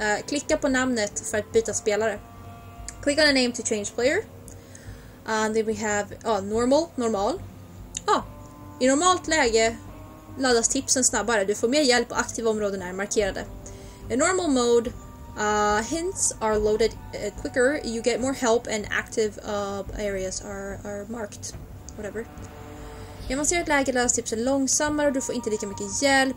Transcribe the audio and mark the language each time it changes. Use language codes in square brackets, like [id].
[sv] Klicka på namnet för att byta spelare. [en] Click on a name to change player. Then we have, normal. [sv] I normalt läge laddas tipsen snabbare. Du får mer hjälp på aktiva områden är markerade. [en] In normal mode, hints are loaded quicker. You get more help and active areas are marked. Whatever. [sv] I avancerat läge laddas tipsen långsammare. Du får inte lika mycket hjälp.